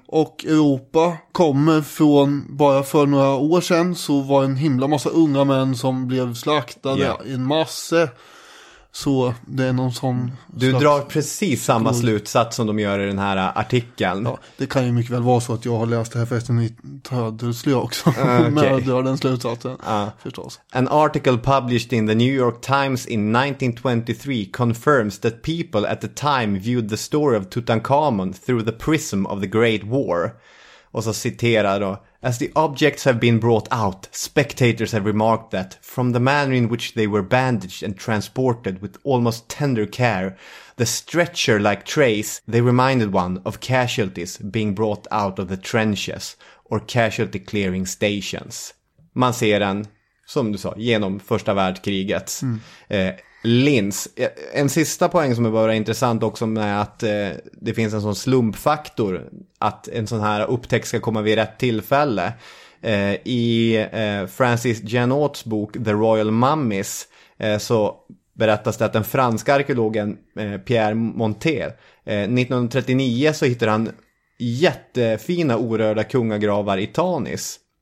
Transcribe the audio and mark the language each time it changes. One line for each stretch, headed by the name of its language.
Swedish: Och Europa kommer från, bara för några år sedan så var en himla massa unga män som blev slaktade i en massa. Så det är någon sån... Du drar precis samma slutsats som de gör i den här artikeln. Ja, det kan ju mycket väl vara så att jag har läst det här förresten i Tödelsly också. Men jag drar den slutsatsen, förstås.
English: An article published in the New York Times in 1923 confirms that people at the time viewed the story of Tutankhamun through the prism of the Great War.
Swedish: Och så citerar då:
English: as the objects have been brought out, spectators have remarked that, from the manner in which they were bandaged and transported with almost tender care, the stretcher-like trace, they reminded one of casualties being brought out of the trenches or casualty clearing stations.
Swedish: Man ser den, som du sa, genom första världskrigets lins. En sista poäng som är bara intressant också med att det finns en sån slumpfaktor att en sån här upptäckt ska komma vid rätt tillfälle. I Francis Janots bok The Royal Mummies så berättas det att den franska arkeologen Pierre Monter 1939 så hittar han jättefina orörda kungagravar i Tanis.